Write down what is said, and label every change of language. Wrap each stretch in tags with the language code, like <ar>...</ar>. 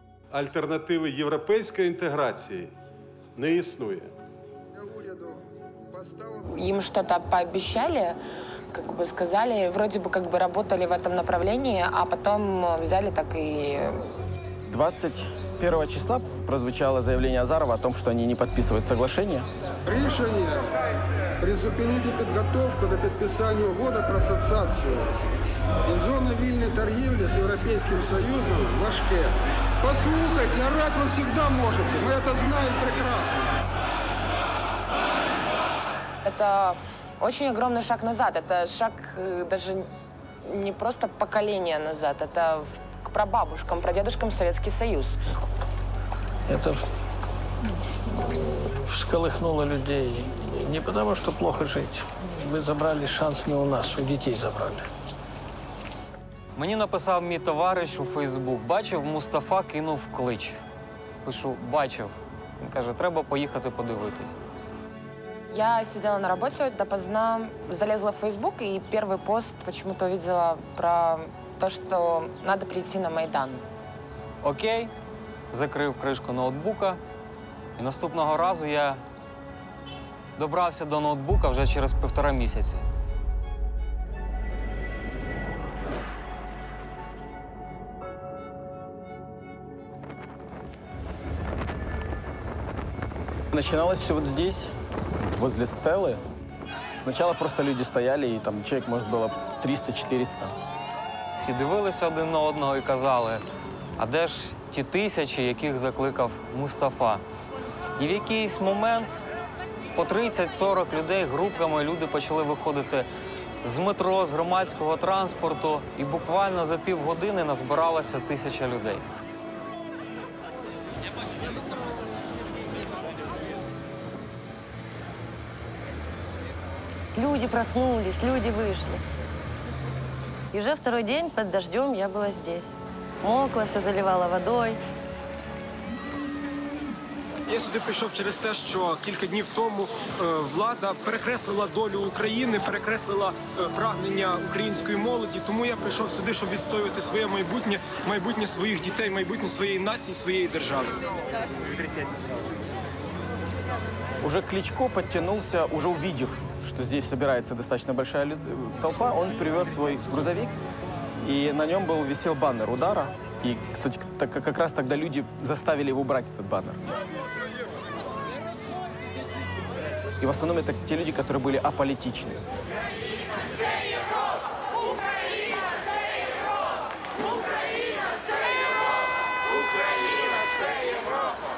<uk>Альтернативи європейської інтеграції не існує.</uk> <ru>Їм щось пообіцяли, как бы сказали, вроде бы как бы работали в этом направлении, а потом взяли так и... 21 числа прозвучало заявление Азарова о том, что они не подписывают соглашение.</ru> <uk>Решение призупинить подготовку до подписания угоди про ассоциацию и зоны вільної торгівлі з Європейським Союзом в Ашке. Послухайте,</uk> <ru>орать вы всегда можете, мы это знаем прекрасно. Это очень огромный шаг назад, это шаг даже не просто поколения назад, это к прабабушкам, прадедушкам Советский Союз. Это всколыхнуло людей, не потому что плохо жить, вы забрали шанс не у нас, у детей забрали.</ru> <uk>Мені написав мій товариш у Фейсбук. Бачив, Мустафа кинув клич. Пишу, бачив. Він каже, треба поїхати подивитись. Я сиділа на роботі допоздна, залізла в Фейсбук і перший пост чомусь побачила про те, що треба прийти на Майдан. Окей, закрив кришку ноутбука. І наступного разу я добрався до ноутбука вже через півтора місяці.</uk> <ru>Начиналось все вот здесь, возле стелы. Сначала просто люди стояли, и там человек, может, было 300-400.</ru> <uk>Все дивилися один на одного и казали, а де ж ті тисячі, яких закликав Мустафа? И в якийсь момент по 30-40 людей групками люди почали виходити з метро, з громадського транспорту, і буквально за півгодини назбиралося тисяча людей.</uk> <ru>Люди проснулись, люди вышли. И уже второй день под дождем я была здесь. Мокла, все заливала водой.</ru> <uk>Я сюди прийшов через те, що кілька днів тому влада перекреслила долю України, перекреслила прагнення української молоді. Тому я прийшов сюди, щоб відстоювати своє майбутнє, майбутнє своїх дітей, майбутнє своєї нації, своєї держави. Уже Кличко підтягнувся, уже увидів, що тут збирається достатньо велика толпа. Він привез свій грузовик, і на ньому висів банер «Удара».</uk> <ru>И, кстати, так, как раз тогда люди заставили его убрать, этот баннер. И в основном это те люди, которые были аполитичны.</ru> <uk>Украина – це Європа! Украина – це Європа! Украина – це Європа! Украина – це Європа!</uk>